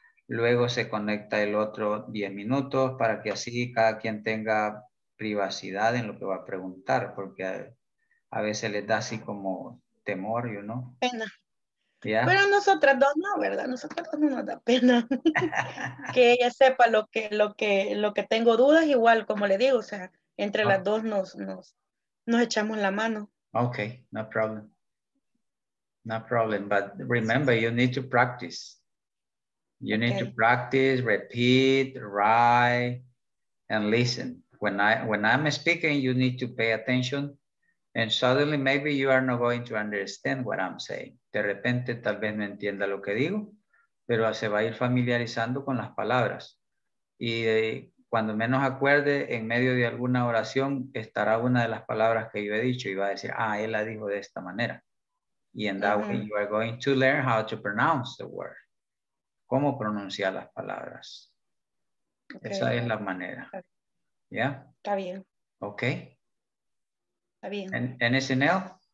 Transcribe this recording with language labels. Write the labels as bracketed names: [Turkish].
[Spanish] Luego se conecta el otro 10 minutos para que así cada quien tenga privacidad en lo que va a preguntar, porque a veces les da así como temor, ¿no? Pena. ¿Ya? Pero nosotras dos no, ¿verdad? Nosotras dos no nos da pena. Que ella sepa lo que tengo dudas, igual, como le digo, o sea, entre las dos nos echamos la mano. [English] Okay, no problem. No problem, but remember, you need to practice. You need to practice, repeat, write, and listen. When I'm speaking, you need to pay attention. And suddenly, maybe you are not going to understand what I'm saying. [Spanish] De repente, tal vez no entienda lo que digo, pero se va a ir familiarizando con las palabras. Y cuando menos acuerde, en medio de alguna oración, estará una de las palabras que yo he dicho y va a decir, ah, él la dijo de esta manera. Y en [English] that way, you are going to learn how to pronounce the word. [Spanish] ¿Cómo pronunciar las palabras? Okay. Esa es la manera. ¿Ya? Yeah. Está bien. [English] Ok. [Spanish] Está bien. [English] ¿Anything else?